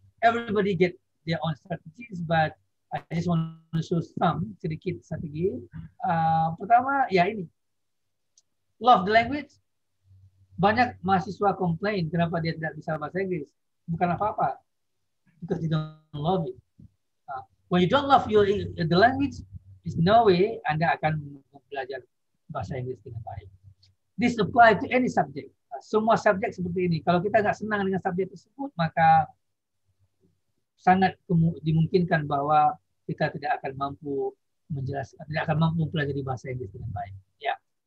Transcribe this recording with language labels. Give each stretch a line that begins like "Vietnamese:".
English: Everybody get their own strategies, but I just want to show some
Indonesian: sedikit strategi. Pertama, ya ini.
English: Love the language.
Indonesian: Banyak mahasiswa komplain kenapa dia tidak bisa bahasa Inggris. Bukan apa-apa,
English: because you don't love it. When you don't love the language, there's no way
Indonesian: Anda akan belajar bahasa Inggris dengan baik.
English: This apply to any subject.
Indonesian: Semua subjek seperti ini. Kalau kita nggak senang dengan subjek tersebut, maka sangat dimungkinkan bahwa kita tidak akan mampu menjelaskan, tidak akan mampu belajar bahasa Inggris dengan baik. Ya, yeah.